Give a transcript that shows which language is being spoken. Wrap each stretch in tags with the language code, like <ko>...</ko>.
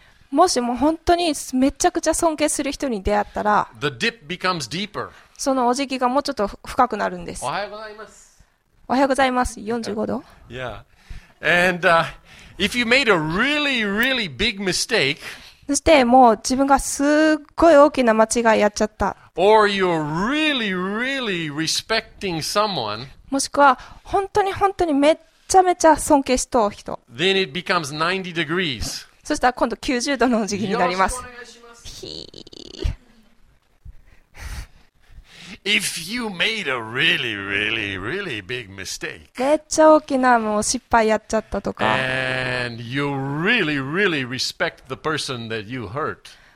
<ja>もしも本当にめちゃくちゃ尊敬する人に出会ったら、</ja> <en>the dip becomes deeper.</en> <ja>そのお辞儀がもうちょっと深くなるんです。おはようございます。おはようございます。45度。 Yeah.</ja> <en>And, If you made a really, really big mistake,</en> <ja>そしてもう自分がすっごい大きな間違いやっちゃった。</ja> <en>Or you're really, really respecting someone,</en> <ja>もしくは本当に本当にめっちゃめちゃ尊敬しとう人。</ja> <en>Then it becomes 90 degrees.</en> <ja>そしたら今度90度のお辞儀になります。よろしくお願いします。</ja> <en>If you made a really, really, really big mistake,</en> <ja>めっちゃ大きなもう失敗やっちゃったとか。</ja> <en>And you really, really respect the person that you hurt.</en>